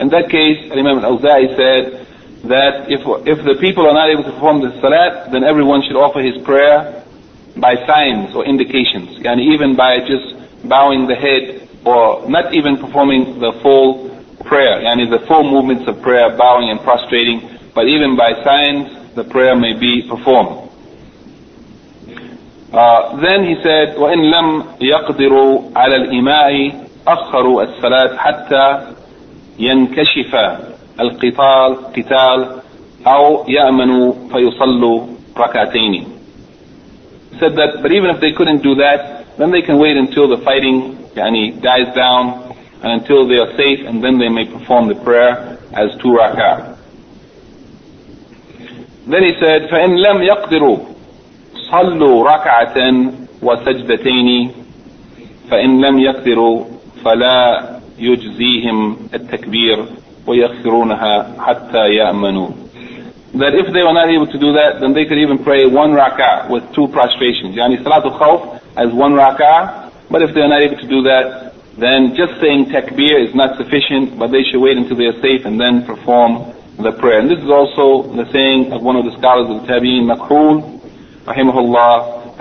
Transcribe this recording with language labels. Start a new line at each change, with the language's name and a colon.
English: In that case, Imam al-Awza'i said that if the people are not able to perform the salat, then everyone should offer his prayer by signs or indications, and even by just bowing the head, or not even performing the full prayer, yani the four movements of prayer, bowing and prostrating, but even by signs, the prayer may be performed. Then he said,
Arabic: وَإِن لَمْ يَقْدِرُوا عَلَى الْإِمَاءِ أَخَّرُوا الصَّلَاةِ حَتَّى يَنْكَشِفَ الْقِتَالِ أَوْ يَأْمَنُوا فَيُصَلُّوا رَكَعَتَيْنِ.
English: He said that, but even if they couldn't do that, then they can wait until the fighting yani dies down, and until they are safe, and then they may perform the prayer as two rak'ah. Then he said,
Arabic: فَإِن لَمْ يَقْدِرُوا صَلُّوا رَكَعَةً وَسَجْدَتَيْنِ فَإِن لَمْ يَقْدِرُوا فَلَا يُجْزِيهِمْ التَّكْبِيرُ وَيَخْفِرُونَهَا حَتَّى يَأْمَنُوا.
English: That if they were not able to do that, then they could even pray one rak'ah with two prostrations, yani Salatul Khawf as one rak'ah. But if they are not able to do that, then just saying takbir is not sufficient, but they should wait until they are safe and then perform the prayer. And this is also the saying of one of the scholars of the Tabi'in, Makhul, rahimahullah.